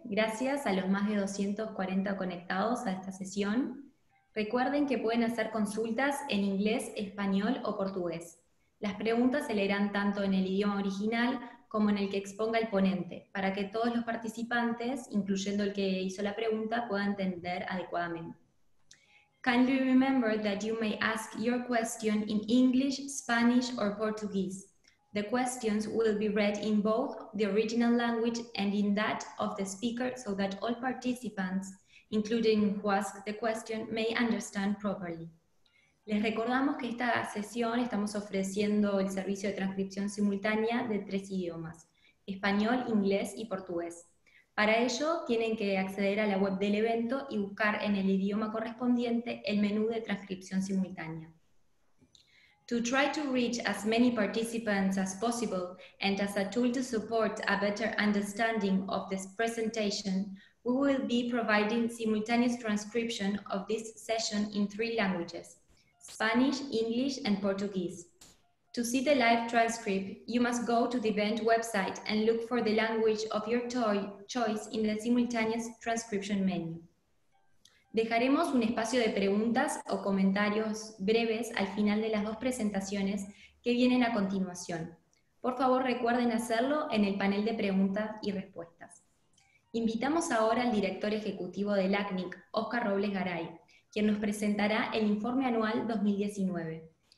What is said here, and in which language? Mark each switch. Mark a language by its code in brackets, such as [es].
[es] Gracias a los más de 240 conectados a esta sesión. Recuerden que pueden hacer consultas en inglés, español o portugués. Las preguntas se leerán tanto en el idioma original como en el que exponga el ponente, para que todos los participantes, incluyendo el que hizo la pregunta, puedan entender adecuadamente. [en] Kindly remember that you may ask your question in English, Spanish or Portuguese. The questions will be read in both the original language and in that of the speaker so that all participants, including who ask the question, may understand properly. [es] Les recordamos que esta sesión estamos ofreciendo el servicio de transcripción simultánea de 3 idiomas, español, inglés y portugués. Para ello, tienen que acceder a la web del evento y buscar en el idioma correspondiente el menú de transcripción simultánea. [en] To try to reach as many participants as possible and as a tool to support a better understanding of this presentation, we will be providing simultaneous transcription of this session in 3 languages, Spanish, English, and Portuguese. To see the live transcript, you must go to the event website and look for the language of your choice in the simultaneous transcription menu. [es] Dejaremos un espacio de preguntas o comentarios breves al final de las 2 presentaciones que vienen a continuación. Por favor, recuerden hacerlo en el panel de preguntas y respuestas. Invitamos ahora al director ejecutivo del ACNIC, Óscar Robles Garay, quien nos presentará el informe anual 2019.